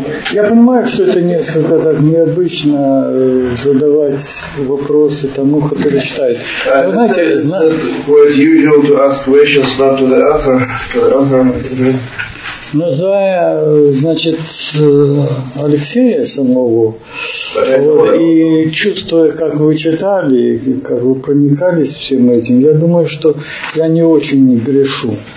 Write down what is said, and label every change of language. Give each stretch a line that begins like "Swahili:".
Russian: Я понимаю, что это несколько так необычно задавать вопросы тому, который читает. Вы знаете,
English: it's usual to ask questions not to the author, to the author.
Russian: Называя, значит, Алексея самого, вот, и чувствуя, как вы читали, как вы проникались всем этим, я думаю, что я не очень не грешу.